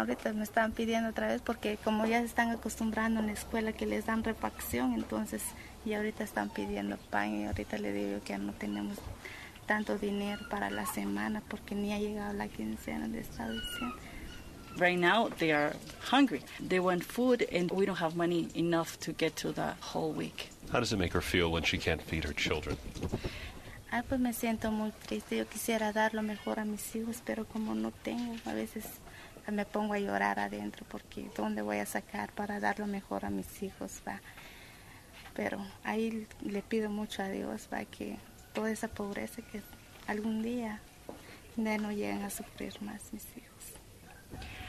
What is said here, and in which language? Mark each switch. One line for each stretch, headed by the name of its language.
Spanish: Ahorita me están pidiendo otra vez porque como ya se están acostumbrando en la escuela que les dan refacción, entonces ya ahorita están pidiendo pan y ahorita le digo que ya no tenemos tanto dinero para la semana porque ni ha llegado la quincena de esta edición.
English: Right now they are hungry. They want food and we don't have money enough to get to the whole week. How does it make her feel when she can't feed her children?
Spanish: Ah, pues me siento muy triste. Yo quisiera dar lo mejor a mis hijos, pero como no tengo, a veces me pongo a llorar adentro porque ¿dónde voy a sacar para dar lo mejor a mis hijos, va? Pero ahí le pido mucho a Dios, va, que toda esa pobreza que algún día no lleguen a sufrir más mis hijos.